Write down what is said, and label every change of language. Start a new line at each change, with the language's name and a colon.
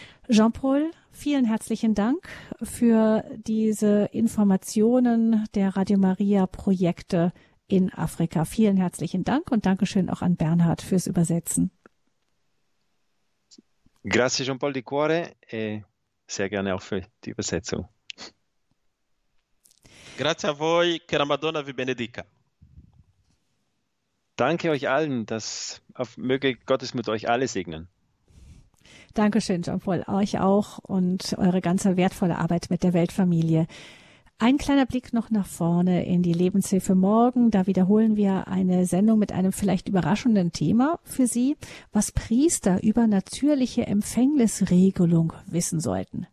German: Jean-Paul, vielen herzlichen Dank für diese Informationen der Radio Maria Projekte in Afrika. Vielen herzlichen Dank und Dankeschön auch an Bernhard fürs Übersetzen.
Italian: Grazie Jean-Paul di cuore
German: e sehr gerne auch für die Übersetzung.
Italian: Grazie a voi, che la Madonna vi benedica.
German: Danke euch allen, dass möge Gottes mit euch alle segnen. Dankeschön, Jean-Paul, euch auch und eure ganze wertvolle Arbeit mit der Weltfamilie. Ein kleiner Blick noch nach vorne in die Lebenshilfe morgen. Da wiederholen wir eine Sendung mit einem vielleicht überraschenden Thema für Sie, was Priester über natürliche Empfängnisregelung wissen sollten.